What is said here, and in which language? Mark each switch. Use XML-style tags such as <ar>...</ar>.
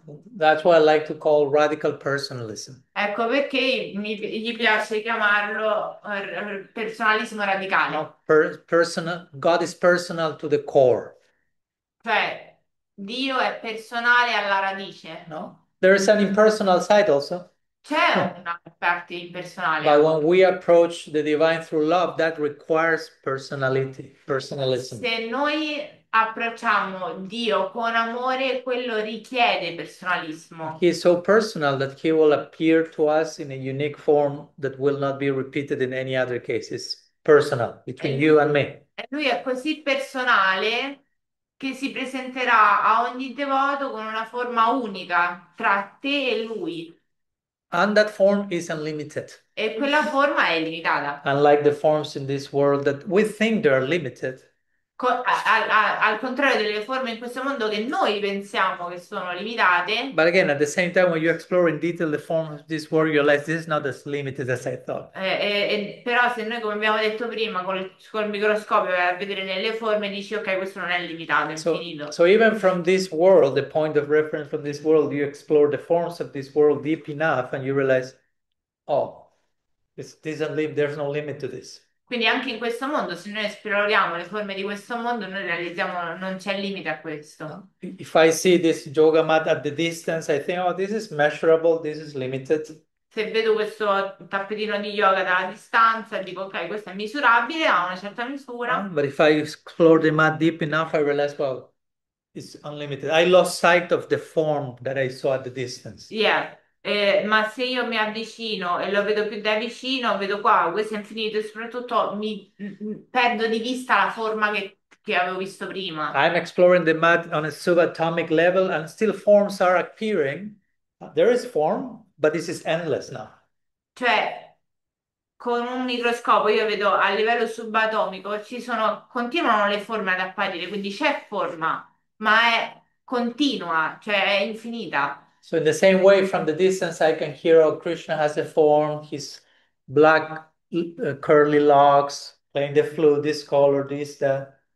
<it>Ecco</it> <en>That's what I like to call radical personalism.</en> <it>perché gli piace chiamarlo personalismo radicale.</it> <en>No, personal, God is personal to the core.</en> <it>Cioè, Dio è personale alla radice.</it> <en>No? There is an impersonal side also.</en> <it>C'è una parte impersonale.</it> <en>But when we approach the divine through love, that requires personality, personalism.</en> <it>Se noi approcciamo Dio con amore, quello richiede personalismo.</it> <en>He is so personal that he will appear to us in a unique form that will not be repeated in any other cases. Personal, between you and me.</en> <it>Lui è così personale che si presenterà a ogni devoto con una forma unica tra te e lui. E</it> <en>And that form is unlimited.</en> <it>quella forma è limitata.</it> <en>Unlike the forms in this world that we think they are limited.</en> <it>Al contrario delle forme in questo mondo che noi pensiamo che sono limitate,</it> <en>But again, at the same time, when you explore in detail the form of this world, you realize this is not as limited as I thought.</en> <it>però se noi, come abbiamo detto prima, col microscopio vai a vedere nelle forme, dici ok, questo non è limitato, è infinito.</it> <en>So even from this world, the point of reference from this world, you explore the forms of this world deep enough and you realize, oh, there's no limit to this.</en> <it>Quindi anche in questo mondo, se noi esploriamo le forme di questo mondo, noi realizziamo che non c'è limite a questo.</it> <en>If I see this yoga mat at the distance, I think, oh, this is measurable, this is limited.</en> <it>Se vedo questo tappetino di yoga dalla distanza, dico ok, questo è misurabile, ha una certa misura.</it> <en>Ah, but if I explore the mat deep enough, I realize, well, it's unlimited. I lost sight of the form that I saw at the distance.</en> <it>Ma se io mi avvicino e lo vedo più da vicino, vedo qua, questo è infinito e soprattutto mi perdo di vista la forma che avevo visto prima.</it> <en>I'm exploring the mat on a subatomic level and still forms are appearing. There is form, but this is endless now.</en> <it>Cioè, con un microscopio io vedo a livello subatomico, continuano le forme ad apparire, quindi c'è forma, ma è continua, cioè è infinita.</it> <en>So in the same way, from the distance, I can hear how Krishna has a form, his black curly locks, playing the flute, this color, this, that.</en>